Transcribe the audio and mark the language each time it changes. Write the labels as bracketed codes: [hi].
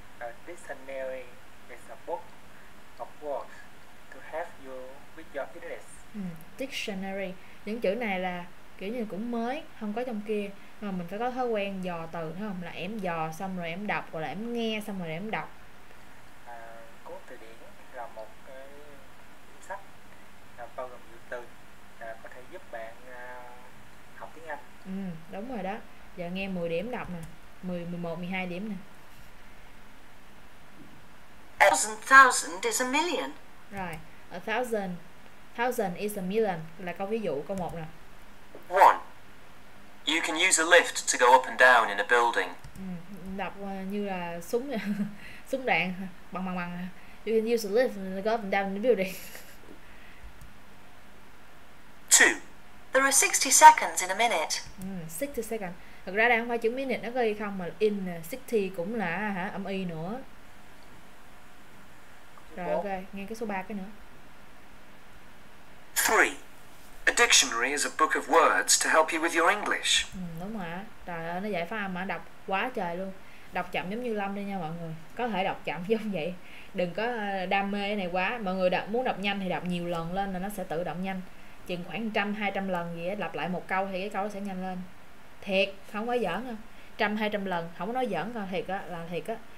[en] A dictionary is a book of words to help you with your English. Dictionary. [vi] Những chữ này là kiểu như cũng mới, không có trong kia, mà mình phải có thói quen dò từ, thấy không? Là em dò xong rồi em đọc, hoặc là em nghe xong rồi em đọc. Từ điển là một cái sách là bao gồm nhiều từ là có thể giúp bạn học tiếng Anh. Đúng rồi đó. Giờ nghe 10 điểm đọc nè, 10, 11, 12 điểm nè. [en] Thousand thousand is a million. [vi] Rồi, [en] a thousand. Thousand is a million [vi] là câu ví dụ câu 1 nè. [en] One. You can use a lift to go up and down in a building. [vi] Đọc như là súng này. Súng đạn bằng bằng bằng. [en] You can use a lift to go up and down in the building. There are 60 seconds in a minute. 60 seconds. [vi] Thực ra đang không phải chữ minute nó gây không, mà in 60 cũng là hả âm y nữa. Rồi [en] Four. [vi] ok, nghe cái số 3 cái nữa. [en] Three. A dictionary is a book of words to help you with your English. [vi] Đúng rồi, trời ơi nó dạy phát âm mà đọc quá trời luôn. Đọc chậm giống như Lâm đây nha mọi người. Có thể đọc chậm giống vậy, đừng có đam mê cái này quá. Mọi người đọc, muốn đọc nhanh thì đọc nhiều lần lên là nó sẽ tự động nhanh. Chừng khoảng 100-200 lần gì ấy, lặp lại một câu thì cái câu nó sẽ nhanh lên. Thiệt, không có giỡn không. 100-200 lần, không có nói giỡn đâu, thiệt á, là thiệt á.